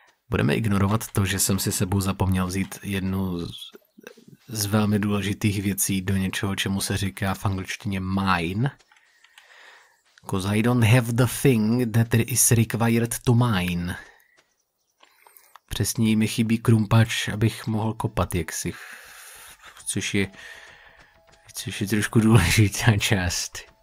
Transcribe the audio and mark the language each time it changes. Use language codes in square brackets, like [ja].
[cs] Budeme ignorovat to, že jsem si sebou zapomněl vzít jednu z velmi důležitých věcí do něčeho, čemu se říká v angličtině mine. [en] Because I don't have the thing that is required to mine. [cs] Přesně mi chybí krumpač, abych mohl kopat jaksi. Což je trošku důležitá část.